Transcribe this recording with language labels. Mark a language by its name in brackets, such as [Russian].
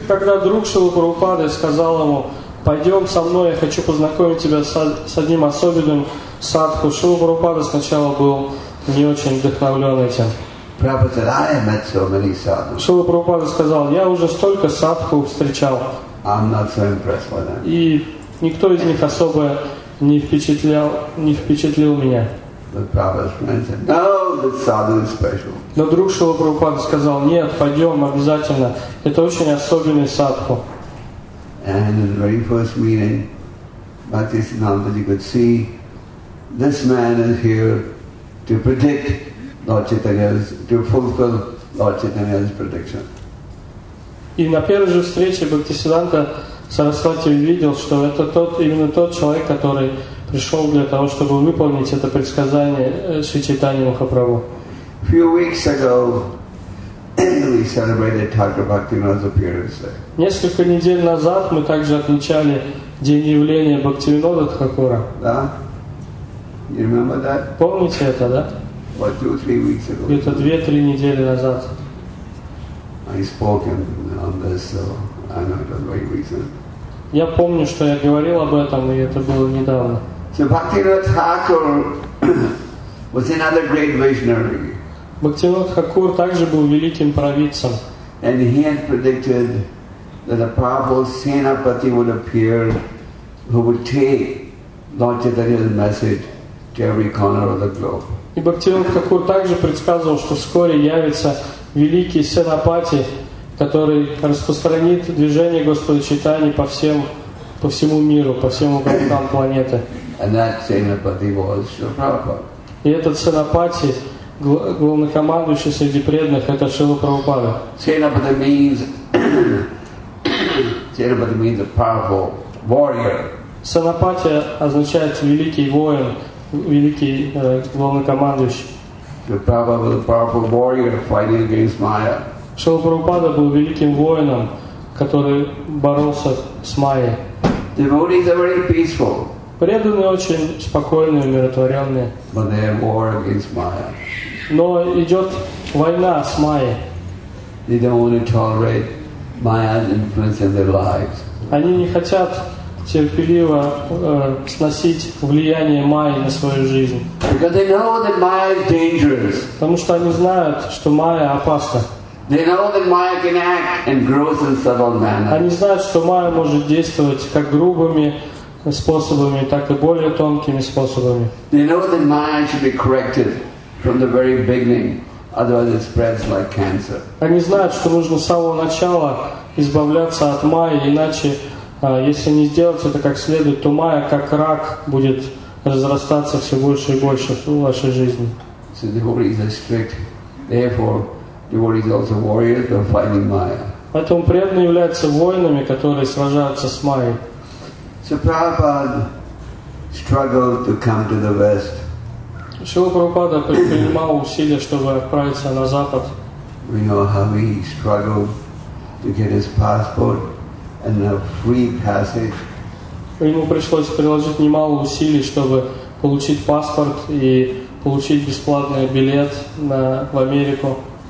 [Russian] Когда друг Шрилы Прабхупады сказал ему, пойдем со мной, я хочу познакомить тебя с одним особенным садху, Шрила Прабхупада сначала был не очень вдохновлен этим. [English] Prabhupada said, I have met so many sadhus. [Russian] Шрила Прабхупада сказал, я уже столько садху встречал. [English] I'm not so impressed by that. [Russian] И никто из них особо не впечатлил меня. [English] But Prabhupada's friend said, no, this sadhu is special. [Russian] Но друг Шрила Прабхупада сказал, нет, пойдем обязательно, это очень особенный садху. [English] And in the very first meeting, Bhakti Siddhanta, you could see this man is here to predict Lord Chaitanya's, to fulfill Lord Chaitanya's prediction. [Russian] И на первой же встрече Бхакти Сиддханта Сарасвати увидел, что это тот, именно тот человек, который пришел для того, чтобы выполнить это предсказание Шри Чайтаньи Махапрабху. [English] A few weeks ago, we celebrated Thakura Bhaktivinoda's appearance there. [Russian] Несколько недель назад мы также отмечали день явления Бхактивинода Тхакура. Да? [English] You remember that? [Russian] Помните это, да? [English] What, 2-3 weeks ago? [Russian] Где-то 2-3 недели назад. [English] I spoke on this, so I know it was very recent. [Russian] Я помню, что я говорил об этом, и это было недавно. [English] So Bhaktivinoda Thakur was another great visionary. [Russian] Бхактивинода Тхакур также был великим провидцем. [English] And he had predicted that the powerful Senapati would appear who would take Lord Chaitanya's message to every corner of the globe. [Russian] И Бхактивинода Тхакур также предсказывал, что вскоре явится великий Сенапати, который распространит движение Господа Чайтаньи по всему миру, по всем уголкам планеты. [English] And that Senapati was Srila Prabhupada. [Russian] И этот Сенапати, главнокомандующий среди преданных, это Шрила Прабхупада. [English] Senapati means Senapati means a powerful warrior. [Russian] Сенапати означает великий воин, великий главнокомандующий. [English] Prabhupada was a powerful warrior fighting against Maya. [Russian] Шрила Прабхупада был великим воином, который боролся с Майей. [English] Devotees are very peaceful. [Russian] Преданные очень спокойные, умиротворенные. [English] But they have war against Maya. [Russian] Но идет война с Майей. [English] They don't want to tolerate Maya's influence in their lives. [Russian] Они не хотят терпеливо сносить влияние Майи на свою жизнь. [English] Because they know that Maya is dangerous. [Russian] Потому что они знают, что Майя опасна. [English] They know that Maya can act in gross and subtle manner. [Russian] Они знают, что Майя может действовать как грубыми способами, так и более тонкими способами. [English] They know that Maya should be corrected from the very beginning, otherwise it spreads like cancer. [Russian] Они знают, что нужно с самого начала избавляться от Майи, иначе, если не сделать это как следует, то Майя как рак будет разрастаться все больше и больше в вашей жизни. [English] So the devotees are strict. Therefore, devotees are also warriors who are fighting Maya. [Russian] Поэтому преданные являются воинами, которые сражаются с Майей. [English] So Prabhupada struggled to come to the West. [Russian] Шрила Прабхупада предпринимал усилия, чтобы отправиться на Запад. [English] We know how he struggled to get his passport and a free passage. [Russian] Ему пришлось приложить немало усилий, чтобы получить паспорт и получить бесплатный билет в Америку.